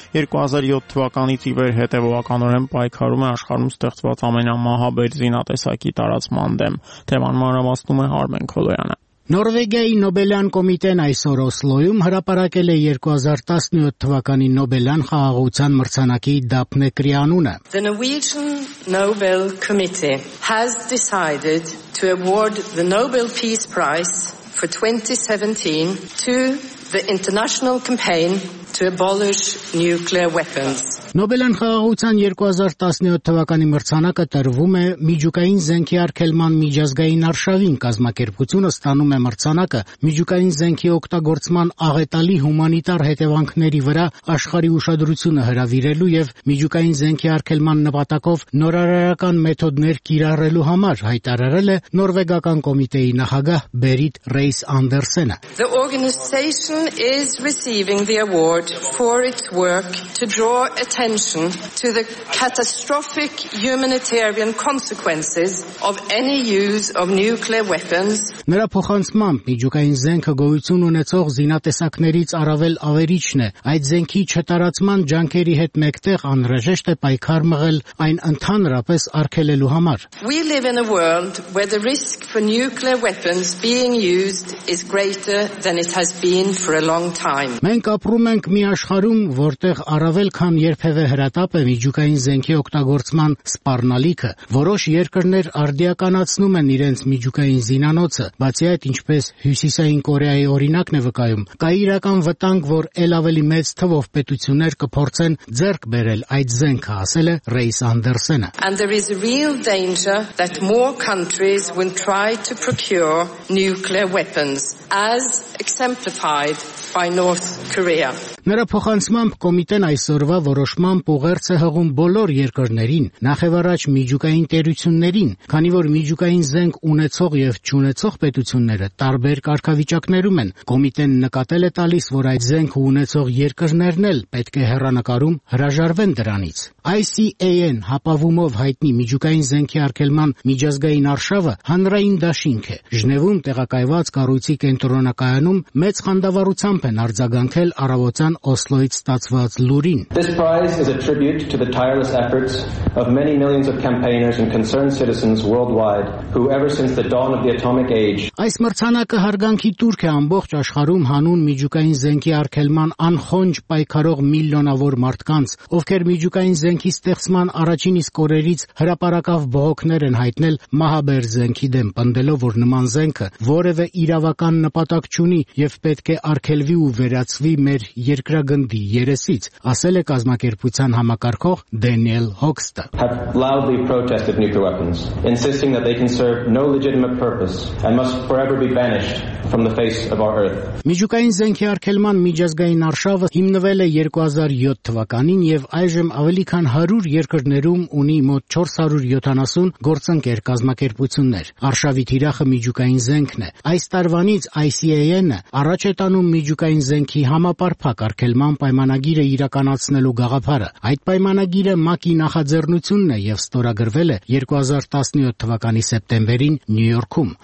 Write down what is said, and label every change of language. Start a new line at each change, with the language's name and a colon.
Armenian: 2007 թվականից ի վեր հետևողականորեն պայքարում է աշխարհում ստեղծված ամենամահաբեր զինատեսակի տարածման դեմ։ Թեման մանրամասնում է Արմեն Քոլոյանը։ Նորվեգիայի Նոբելյան կոմիտեն այսօր Օսլոյում հրապարակել է 2017 թվականի Նոբելյան խաղաղության մրցանակի Դափնե Կրիանունը։
English: The Norwegian Nobel Committee has decided to award the Nobel Peace Prize for 2017 to the international campaign to abolish nuclear weapons.
Armenian: Նոբելյան խաղաղության 2017 թվականի մրցանակը տրվում է միջուկային զենքի արգելման միջազգային արշավին, կազմակերպությունը ստանում է մրցանակը միջուկային զենքի օգտագործման աղետալի հումանիտար հետևանքների վրա աշխարհի ուշադրությունը հրավիրելու և միջուկային զենքի արգելման նպատակով նորարարական մեթոդներ կիրառելու համար, հայտարարել է Նորվեգական կոմիտեի նախագահ Բերիտ Ռեյս Անդերսենը։
English: The organization is receiving the award for its work to draw attention to the catastrophic humanitarian consequences of any use of nuclear weapons.
Armenian: Նրա փոխանցմամբ միջուկային զենքը գոյություն ունեցող զինատեսակներից առավել ավերիչն է։ Այդ զենքի չտարածման ջանքերի հետ մեկտեղ անհրաժեշտ է պայքար մղել այն ընդհանրապես արգելելու համար։
English: We live in a world where the risk for nuclear weapons being used is greater than it has been for a long time.
Armenian: Մենք ապրում ենք մի աշխարհում, որտեղ առավել քան երբևէ որևէ հրատապ է միջուկային զենքի օգտագործման սպառնալիքը։ Որոշ երկրներ արդիականացնում են իրենց միջուկային զինանոցը, բացի այդ, ինչպես Հյուսիսային Կորեայի օրինակն է վկայում, կա իրական վտանգ, որ էլ ավելի մեծ թվով պետություններ կփորձեն ձեռք բերել այդ զենքը, ասել է Ռեյս Անդերսենը.
English: And there is a real danger that more countries will try to procure nuclear weapons, as exemplified by North Korea.
Armenian: Նրա փոխանցմամբ կոմիտեն այսօրվա որոշման ուղերձ է հղում բոլոր երկրներին, նախևառաջ միջուկային տերություններին, քանի որ միջուկային զենք ունեցող և չունեցող պետությունները տարբեր կարգավիճակներում են։ Կոմիտեն նկատել է տալիս, որ այդ զենքը ունեցող երկրներն էլ պետք է հեռանկարում հրաժարվեն դրանից։ ICAN հապավումով հայտնի միջուկային զենքի արգելման միջազգային արշավը հանրային դաշինք է։ Ժնևում տեղակայված կառույցի կենտրոնակայանում մեծ խանդավառությամբ են արձագանքել առավոտյան Օսլոից ստացված լուրին։
English: This prize is a tribute to the tireless efforts of many millions of campaigners and concerned citizens worldwide who ever since the dawn of the atomic age.
Armenian: Այս մրցանակը հարգանքի տուրք է ամբողջ աշխարհում հանուն միջուկային զենքի արգելման անխոնջ պայքարող միլիոնավոր մարդկանց, ովքեր միջուկային զենքի ստեղծման առաջին իսկ օրերից հրապարակավ բողոքներ են հայտնել մահաբեր զենքի դեմ, պնդելով, որ նման զենքը որևէ իրավական նպատակ չունի և պետք է արգելվի ու վերացվի մեր երկրագնդի երեսից, ասել է կազմակերպության համակարգող Դենիել Հոքստը.
English: Have loudly protested nuclear weapons, insisting that they can serve no legitimate purpose and must forever be banished from the face of our earth.
Armenian: Միջուկային զենքի արգելման միջազգային արշավը հիմնվել է 2007 թվականին և այժմ ավելի քան 100 երկրներում ունի մոտ 470 գործընկեր կազմակերպություններ։ Արշավի թիրախը միջուկային զենքն է։ Այս տարվանից ICAN-ը առաջ է տանում միջուկային զենքի համապարփակ արգելման պայմանագիրը իրականացնելու գաղափարը։ Այդ պայմանագիրը ՄԱԿ-ի նախաձեռնությունն է և ստորագրվել է 2017 թվականի սեպտեմբերին Նյու Յորքում։